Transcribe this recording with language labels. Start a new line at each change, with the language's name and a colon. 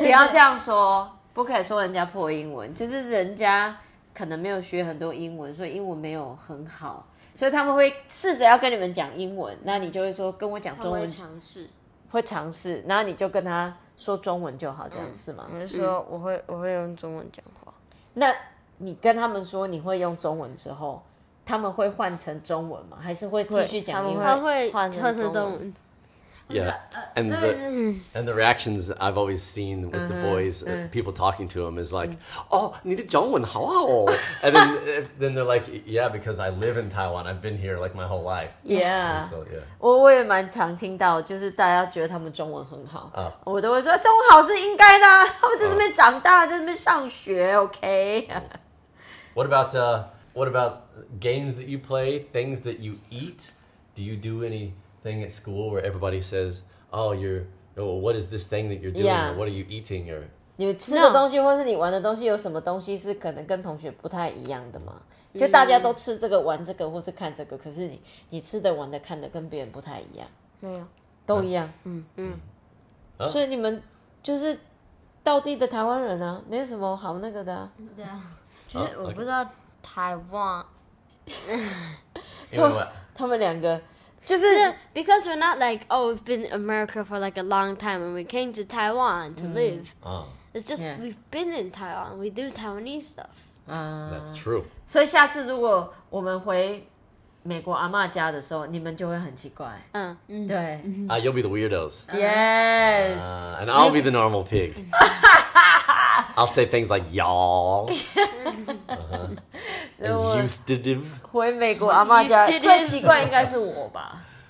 Chinese: 不要这样说，不可以说人家破英文，就是人家可能没有学很多英文，所以英文没有很好，所以他们会试着要跟你们讲英文，那你就会说跟我讲中文，尝试，会尝试，那你就跟他说中文就好，这样是吗？我就说我会用中文讲话。那你跟他们说你会用中文之后。他们会换成中文吗？还是会继续讲英文？他们会换成中文。
English: Yeah, and the reactions I've always seen with the boys,、people talking to them is like,、oh,
Chinese: 你的中文好好哦。
English: And then they're like, yeah, because I live in Taiwan. I've been here like my whole life. Yeah. So, yeah.
Chinese: 我也蛮常听到，就是大家觉得他们中文很好。我都会说中文好是应该的，他们在这边长大，在这边上学 ，OK.
English: What about games that you play, things that you eat? Do you do anything at school where everybody says, oh, what is this thing that you're doing? Yeah. Or what are you eating? Or...
Chinese: 你吃的东西或是你玩的东西有什么东西是可能跟同学不太一样的吗？就大家都吃这个、玩这个或是看这个，可是 你吃的、玩的、看的跟别人不太一样。没有。都一样。嗯。所以你们就是道地的台湾人啊，没有什么好那个的啊。对啊。其实我不知道台湾他们两个就是
English: because we're not like oh we've been in America for like a long time and we came to Taiwan to live、it's just、 yeah. we've been in Taiwan we do Taiwanese stuff、 that's true
Chinese: 所以下次如果我们回美国阿嬷家的时候你们就会很奇怪、对、
English: you'll be the weirdos yes、 and I'll be the normal pig I'll say things like y'all And usedative.
Chinese: 回美国阿嬷家最奇怪应该是我吧。